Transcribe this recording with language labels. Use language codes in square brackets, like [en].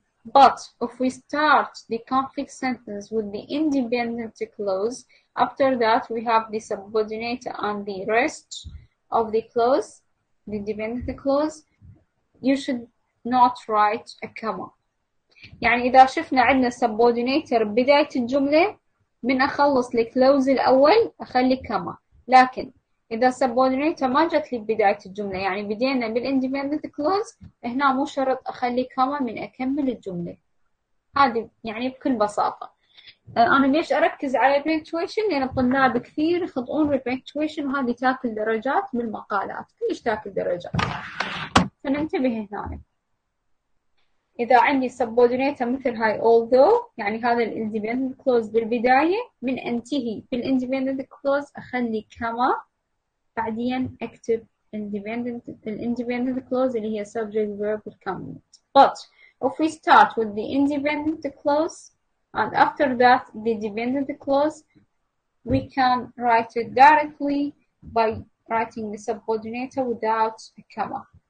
[en] But if we start the complex sentence with the independent clause, after that we have the subordinate and the rest of the clause, the dependent clause, you should not write a comma. [ar] يعني إذا شفنا عندنا subordinate بداية الجملة من أخلص الكلوز الأول أخلي comma، لكن إذا subordinate ما جت لي بداية الجملة، يعني بدينا بالindependent clause، هنا مو شرط أخلي comma من أكمل الجملة. هذه يعني بكل بساطة. أنا ليش أركز على punctuation؟ لأن الطلاب كثير يخطئون بالpunctuation، وهذه تاكل درجات بالمقالات، كلش تاكل درجات. فننتبه هنا. إذا عندي subordinate مثل هاي although، يعني هذا الindependent clause بالبداية، من أنتهي بالindependent clause أخلي comma. بعدين اكتب independent, independent clause اللي هي subject verb complement. [en] But if we start with the independent clause and after that the dependent clause, we can write it directly by writing the subordinator without a comma.